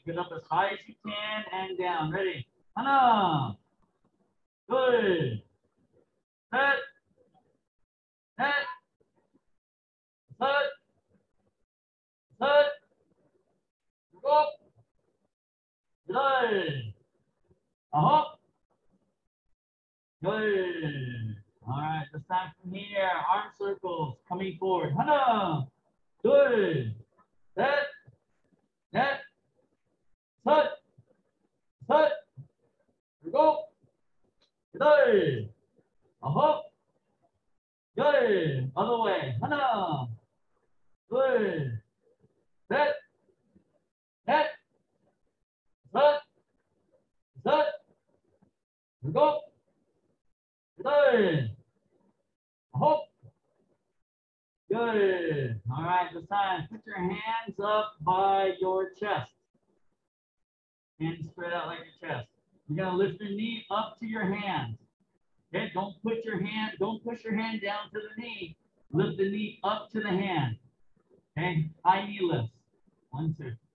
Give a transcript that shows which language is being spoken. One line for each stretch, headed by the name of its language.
English: Get up as high as you can and down. Ready?
Korean: 하나, 둘, 셋, 넷, 다섯, 다섯, 일곱, 여덟, 아홉, 열.
English: All right, the time from here, arm circles coming forward.
Korean: 하나, 둘, 셋, 넷, 다섯, 다섯, 일곱, 여덟, 아홉, 열.
English: Other way.
Korean: 하나, 둘, 셋, 넷, 다섯, 다섯, 일곱, 여덟, 아홉, 열.
English: All right, this time, put your hands up by your chest. Hands spread out like your chest. You gotta lift your knee up to your hands. Okay, don't put your hand, don't push your hand down to the knee. Lift the knee up to the hand. Okay, high knee lifts. One, two.